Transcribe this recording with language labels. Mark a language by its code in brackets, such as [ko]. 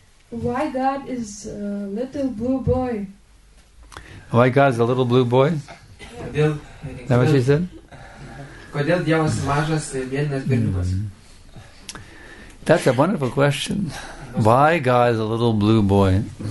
[en] Why God is a little blue boy? Why God is a little blue boy? [lt] Kodėl, [en] is that what she said? [lt] Kodėl Dievas mažas, mėlynas berniukas? [en] That's a wonderful question. Why God is a little blue boy?